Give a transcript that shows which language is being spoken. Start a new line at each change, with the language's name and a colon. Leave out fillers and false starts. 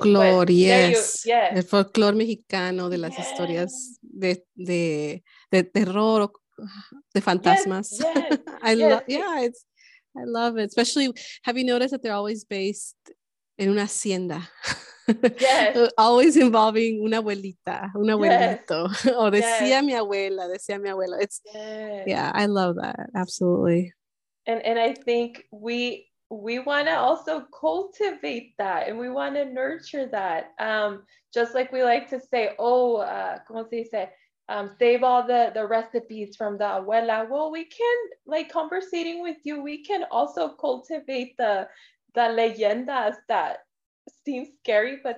Spanish: folklore, el folklore mexicano de las historias de terror, de fantasmas.
English: I love it. Especially, have you noticed that they're always based in
Spanish: una hacienda?
English: Yes. Always involving
Spanish: una abuelita, un abuelito.
English: Yes.
Spanish: decía mi abuela, decía mi abuelo.
English: It's I love that. Absolutely. And I think we want to also cultivate that, and we want to nurture that. Just like we like to say,
Spanish: ¿cómo se dice?
English: Save all the recipes from the abuela. Well, we can, like conversating with you, we can also cultivate the leyendas that seem scary, but